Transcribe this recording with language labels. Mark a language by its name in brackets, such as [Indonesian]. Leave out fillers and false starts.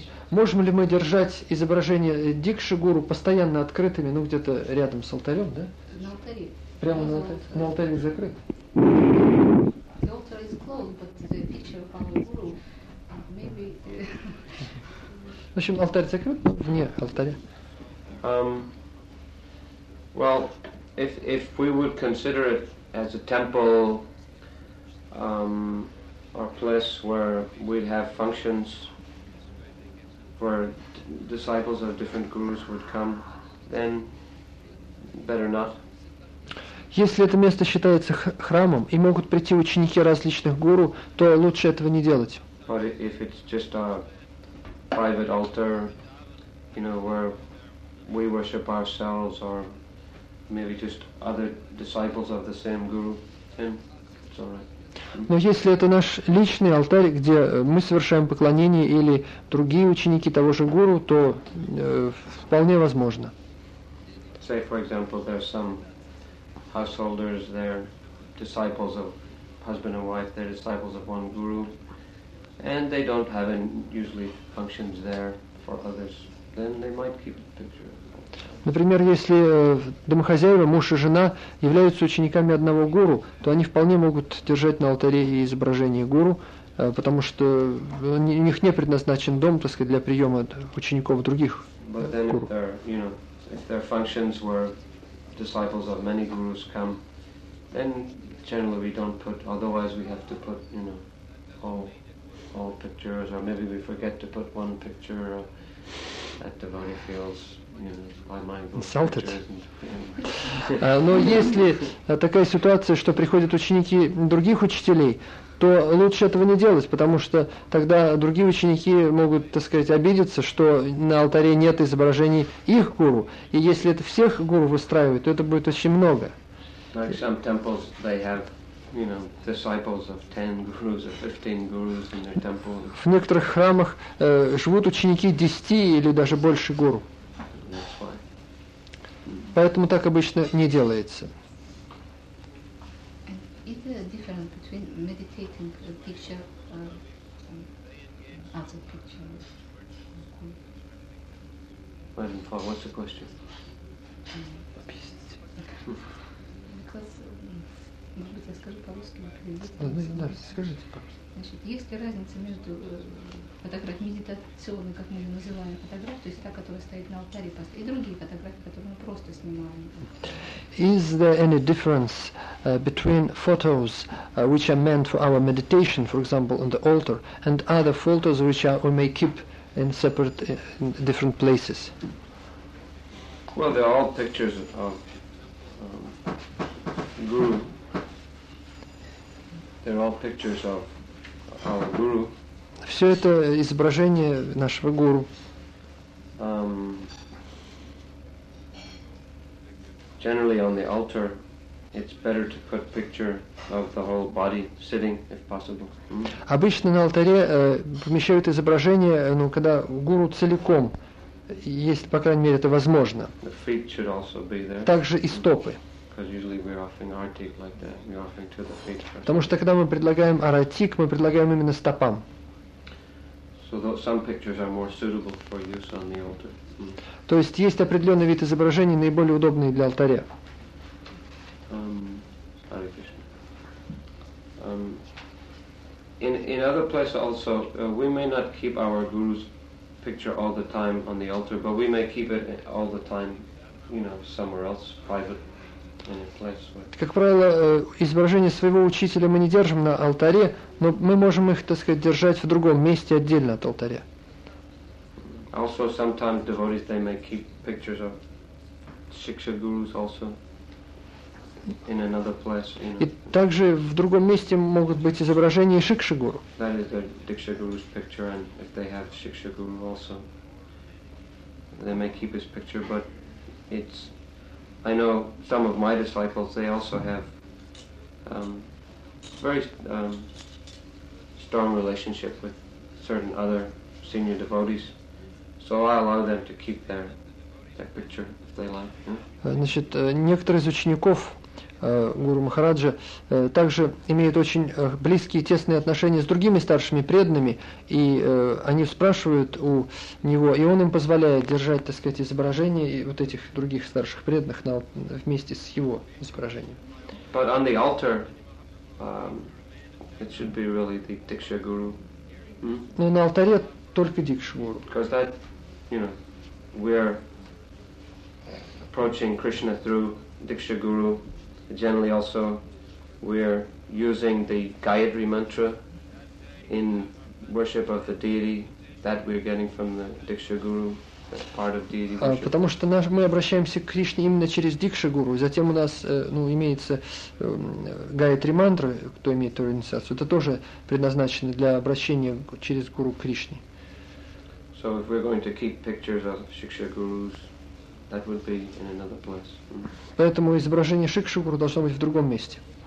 [Russian] Можем ли мы держать изображение Дикши Гуру постоянно открытыми, ну где-то рядом с алтарем, да? На алтаре. Прямо на алтаре. На алтаре закрыт. [English] The altar is closed, but the picture of our guru maybe. [Russian] В общем, алтарь закрыт, но вне алтаря. [English] Well, if we would consider it as a temple or place where we'd have functions where disciples of different gurus would come, then better not. [Russian] Если это место считается храмом и могут прийти ученики различных гуру, то лучше этого не делать. [English] But if it's just a private altar, you know, where we worship ourselves or maybe just other disciples of the same guru, then it's all right. [Russian] Но если это наш личный алтарь, где мы совершаем поклонение или другие ученики того же гуру, то вполне возможно. [English] Say, for example, there are some householders, they're disciples of husband and wife, they're disciples of one guru, and they don't have any usually functions there for others, then they might keep the picture. [Russian] Например, если домохозяева, муж и жена являются учениками одного гуру, то они вполне могут держать на алтаре и изображение гуру, потому что у них не предназначен дом, так сказать, для приема учеников других гуру. [English] If their functions were disciples of many gurus come, then generally we don't put, otherwise we have to put, you know, all pictures, or maybe we forget to put one picture at the Divine Fields. Insulted. [Russian] Но если такая ситуация, что приходят ученики других учителей, то лучше этого не делать, потому что тогда другие ученики могут, так сказать, обидеться, что на алтаре нет изображений их гуру. И если это всех гуру выстраивает, то это будет очень много. [English] Like some temples, they have, you know, disciples of 10 gurus or 15 gurus in their temple. [Russian] В некоторых храмах живут ученики 10 или даже больше гуру. Поэтому так обычно не делается. [English] Is there a difference between meditating a picture or other pictures? Wait, what's the question? Because, [Russian] может быть, я скажу по-русски, да, скажите, пожалуйста. Значит, есть ли разница между фотографией медитационной, как мы ее называем, фотографией, то есть та, которая стоит на алтаре, и другие фотографии, которые мы просто снимаем? [English] Is there any difference between photos which are meant for our meditation, for example, on the altar, and other photos which are, we may keep in separate, in different places? Well, they're all pictures of Guru. They're all pictures of our Guru. [Russian] Все это изображение нашего Гуру. [English] Generally on the altar, it's better to put picture of the whole body sitting, if possible. [Russian] Обычно на алтаре помещают изображение, ну, когда Гуру целиком, если, по крайней мере, это возможно. [English] The feet should also be there. [Russian] Также и стопы. [English] Because usually we're offering artik like that. We're offering to the feet. [Russian] Потому что когда мы предлагаем артик, мы предлагаем именно стопам. [English] So some pictures are more suitable for use on the altar. [Russian] То есть есть определенный вид изображений, наиболее удобный для алтаря. [English] Hare Krishna. In other places also, we may not keep our guru's picture all the time on the altar, but we may keep it all the time, you know, somewhere else, private. [Russian] Как правило, изображение своего учителя мы не держим на алтаре, но мы можем их, так сказать, держать в другом месте отдельно от алтаря. [English] Also, sometimes devotees, they may keep pictures of Shiksha gurus also in another place. You know. [Russian] И также в другом месте могут быть изображения Шикши гуру. [English] That is the Diksha guru's picture, and if they have Shiksha guru also, they may keep his picture, but it's I know some of my disciples, they also have very strong relationship with certain other senior devotees. So I allow them to keep their picture if they like. Yeah? [Russian] Значит, некоторые из учеников Гуру Махараджа также имеют очень близкие и тесные отношения с другими старшими преданными, и они спрашивают у него, и он им позволяет держать, так сказать, изображение вот этих других старших преданных вместе с его изображением. [English] But on the altar, it should be really the Diksha Guru. [Russian] Но на алтаре только Дикша Гуру. [English] Because that, you know, we're approaching Krishna through Diksha Guru. Generally also we're using the Gayatri mantra in worship of the deity that we're getting from the Diksha Guru as part of deity worship. [Russian] Потому что мы обращаемся к Кришне именно через Дикша Гуру, затем у нас имеется Гайатри мантра, кто имеет эту инициацию, это тоже предназначено для обращения через Гуру Кришне. [English] So if we're going to keep pictures of Shiksha Gurus, that would be in another place. [Russian] Поэтому изображение Шикши Гуру должно быть в другом месте.